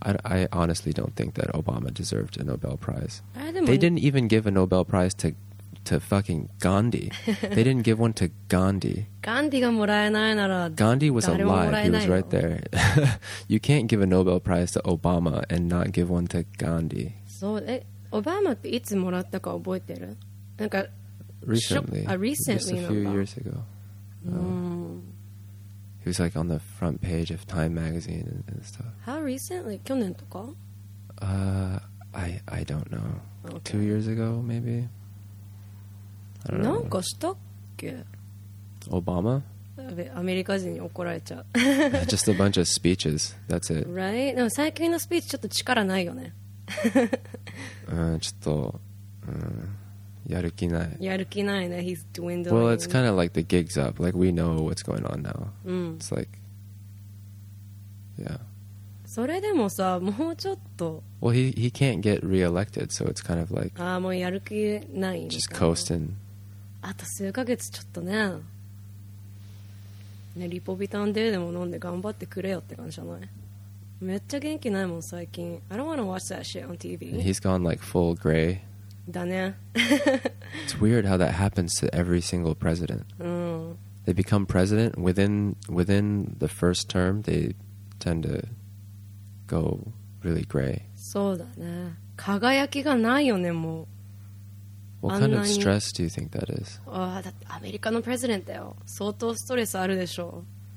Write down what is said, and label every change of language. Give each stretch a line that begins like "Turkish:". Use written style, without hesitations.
English: I honestly don't think that Obama deserved a Nobel Prize. They didn't even give a Nobel Prize to fucking Gandhi. They didn't give one to Gandhi.
Japanese: Gandhi がもらえないなら、
English: Gandhi was alive. He was right there. You can't give a Nobel Prize to Obama and not give one to Gandhi.
Japanese: そう、え、オバマっていつもらったか覚えてる？なんか、
English: recently. Recently, just a few years ago. He was like on the front page of Time magazine and stuff. How recently?
Japanese: 去年とか？
English: I don't know. Okay. 2 years ago, maybe.
Japanese: なんかしたっけ？オバマ？アメリカ人に怒られちゃう。
English: Just a bunch of speeches. That's it. Right?
Japanese: でも最近のスピーチちょっと力ないよね。ちょっと、やる気ない。やる気ないね。
English: He's dwindling. Well, it's kind of like the gig's up. Like, we know what's going on now. It's like, yeah.
Japanese: それでもさ、もうちょっと。
English: Well, he can't get re-elected, so it's kind of like...
Japanese: ああ、もうやる気ない。
English: Just coasting.
Japanese: あと数ヶ月ちょっとね、ね、リポビタンデーでも飲んで頑張ってくれよって感じじゃない？めっちゃ元気ないもん最近。
English: I don't want to watch that shit on TV. And he's gone like full gray.
Japanese: だね。
English: It's weird how that happens to every single president.
Japanese: うん。
English: They become president within the first term. They tend to go really gray.
Japanese: そうだね。輝きがないよねもう。
English: What kind of stress do you think that is?
Japanese: ああ、だってアメリカのプレゼデントだよ。相当ストレスあるでしょう。